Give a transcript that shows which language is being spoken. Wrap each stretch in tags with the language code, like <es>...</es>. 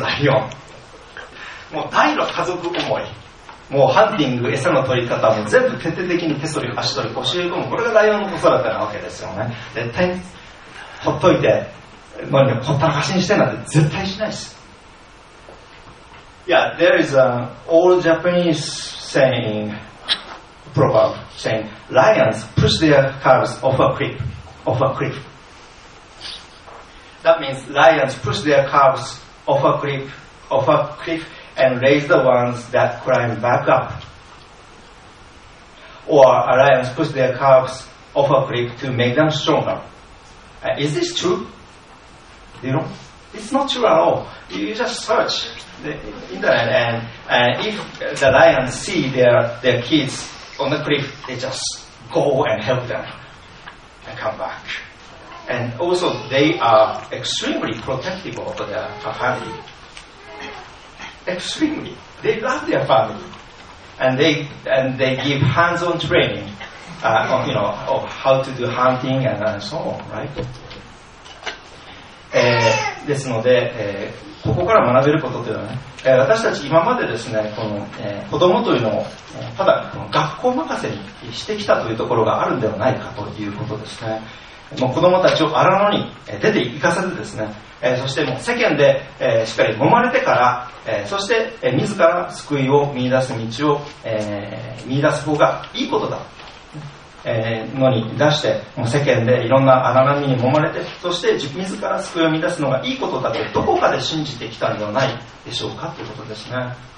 <ja>ライオンもう大の家族思い、もうハンティング、餌の取り方も全部徹底的に手取り足取り教え込む、これがライオンの子育てなわけですよね。絶対にほっといて、まあね、ほったらかしにしてなんて絶対しないです。</ja> <en>Yeah, there is an old Japanese saying, proverb saying, lions push their cubs off a cliff, off a cliff. That means lions push their cubs off a cliff, off a cliff. And raise the ones that climb back up. Or a lion push their cubs off a cliff to make them stronger. Is this true? You know, it's not true at all. You just search the internet, and if the lions see their kids on the cliff, they just go and help them and come back. And also, they are extremely protective of their family. Extremely, they love their family, and they give hands-on training, on, you know, of how to do hunting and so on, right?</en> <ja>ですので、ここから学べることというのはね、私たち今までですね、この、子供というのをただこの学校任せにしてきたというところがあるのではないかということですね。もう子供たちを荒野に出て行かせてですね。そしてもう世間で、しっかり揉まれてから、そして、自ら救いを見出す道を、見出す方がいいことだ、のに出して、もう世間でいろんな荒波に揉まれて、そして自ら救いを見出すのがいいことだとどこかで信じてきたんではないでしょうかということですね。</ja>